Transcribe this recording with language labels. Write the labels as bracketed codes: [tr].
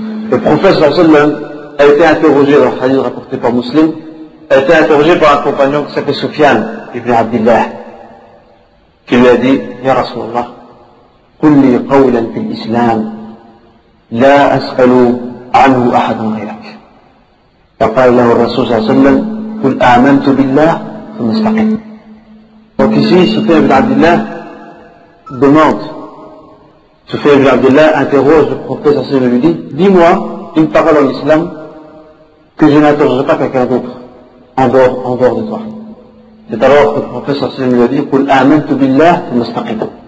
[fr] Le prophète sallallahu alayhi wa sallam a été interrogé dans le hadith rapporté par Muslim, a été interrogé par un compagnon qui s'appelait Soufiane ibn Abdillah, qui lui a dit: [ar] Ya Rasulallah, qulli qawlan fil islam لا أسأل عنه أحد غيرك. فقال له الرسول صلى الله عليه وسلم قل آمنت بالله ثم استقم. وكسي صفية بن عبد الله [fr] demande Soufiane ibn Abdullah interroge le prophète sallallahu alayhi wa sallam et lui dit: dis-moi une parole en islam que je n'interrogerai pas quelqu'un d'autre en dehors de toi. C'est alors que le prophète sallallahu alayhi wa sallam lui a dit: [ar] qul amantu billah thumma istaqim.